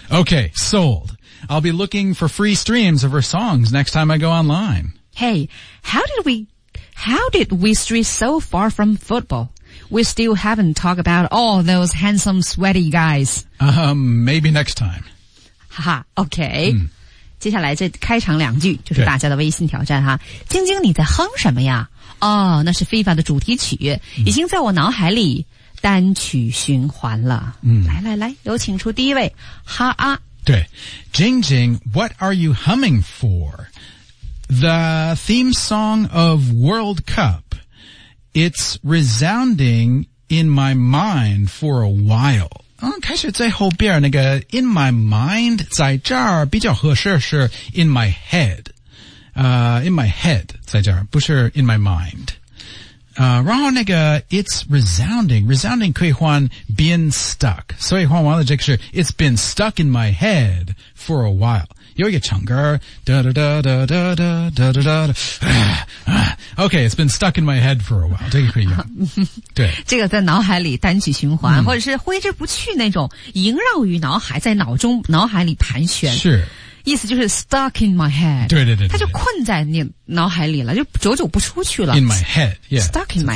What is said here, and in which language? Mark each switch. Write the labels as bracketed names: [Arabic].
[English] Okay, sold. I'll be looking for free streams of her songs next time I go online. Hey, how did we stray so far from football? We still haven't talked about all those handsome, sweaty guys. Maybe next time. Haha, okay. Hmm. [Chinese] 接下来这开场两句就是大家的微信挑战哈。晶晶你在哼什么呀哦那是 FIFA 的主题曲已经在我脑海里单曲循环了。来来来有请出第一位哈啊。对。 [English] 晶晶 ,what are you humming for? The theme song of World Cup. It's resounding in my mind for a while. [Chinese] 开始在后边那个 [English] in my mind [Chinese] 在这儿比较合适是 [English] in my head,in my head [Chinese] 在这儿不是 in my mind. 然后那个, [English] it's resounding, resounding, [Chinese] 可以换, [English] been stuck. [Chinese] 所以换完了这个事, [English] it's been stuck in my head for a while. [Chinese] 有一个唱歌, da da da da da da da da da da. [English] Okay, it's been stuck in my head for a while. [Chinese] 这个可以用。对。这个在脑海里单曲循环, 或者是挥之不去那种萦绕于脑海在脑中脑海里盘旋。是。意思就是 [English] stuck in my head. [Chinese] 对对对。他就困在你脑海里了, 就走不出去了。 [English] In my head, yeah. Stuck in my